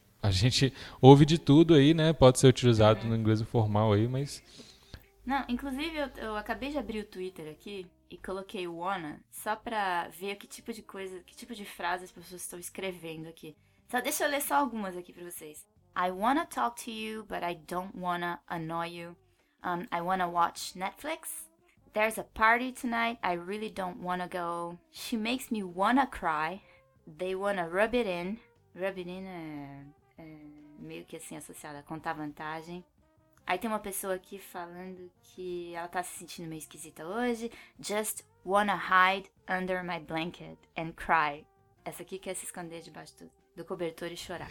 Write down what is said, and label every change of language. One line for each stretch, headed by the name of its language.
Portuguese: A gente ouve de tudo aí, né? Pode ser utilizado no inglês informal aí, mas... Não, inclusive eu acabei de abrir o Twitter aqui e coloquei o wanna só pra ver que tipo de coisa, que tipo de frase as pessoas estão escrevendo aqui. Só deixa eu ler só algumas aqui pra vocês.
English: I wanna talk to you, but I don't wanna annoy you. I wanna watch Netflix. There's a party tonight, I really don't wanna go. She makes me wanna cry. They wanna rub it in.
Portuguese: Rub it in é meio que assim associada a contar vantagem. Aí tem uma pessoa aqui falando que ela tá se sentindo meio esquisita hoje.
English: Just wanna hide under my blanket and cry.
Portuguese: Essa aqui quer se esconder debaixo do cobertor e chorar.